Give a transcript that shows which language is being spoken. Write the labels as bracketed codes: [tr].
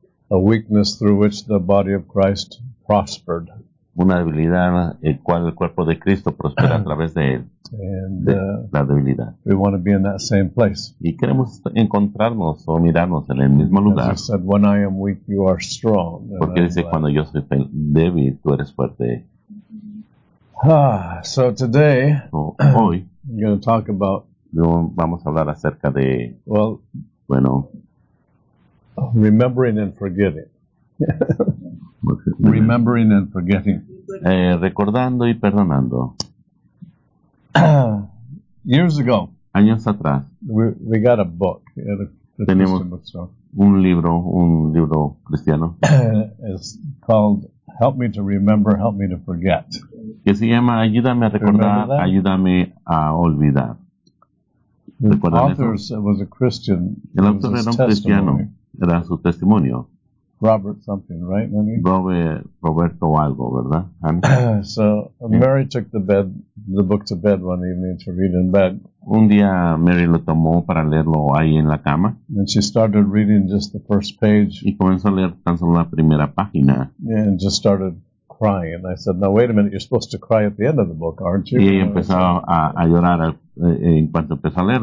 [en] A weakness through which the body of Christ prospered. [es] Una debilidad en la cual el cuerpo de Cristo prospera a través de él. La debilidad. [en] We want to be in that same place. [es] Y queremos encontrarnos o mirarnos en el mismo lugar. [en] As you said, when I am weak, you are strong. [es] Porque dice, cuando yo soy débil, tú eres fuerte. [en] So today, [es] hoy, [en] we're going to talk about, [es] vamos a hablar acerca de, [en] well, [es] bueno, [en] remembering and forgetting. Remembering and forgetting. [es] Recordando y perdonando. [en] Years ago, [es] años atrás, [en] we got a book. [es] Tenemos un libro cristiano. [en] It's called Help Me to Remember, Help Me to Forget. [es] Que se llama Ayúdame a recordar, Ayúdame a olvidar. El autor era un cristiano, era su testimonio. [en] Robert something, right? [es] Roberto algo, ¿verdad? [en] So Mary took the book to bed one evening to read in bed. [es] Un día Mary lo tomó para leerlo ahí en la cama. [en] And she started reading just the first page. [es] Y comenzó a leer tan solo la primera página. [en] And just started crying. And I said, "Now wait a minute, you're supposed to cry at the end of the book, aren't you?" [es] Y empezó a llorar en cuanto empezó a leer.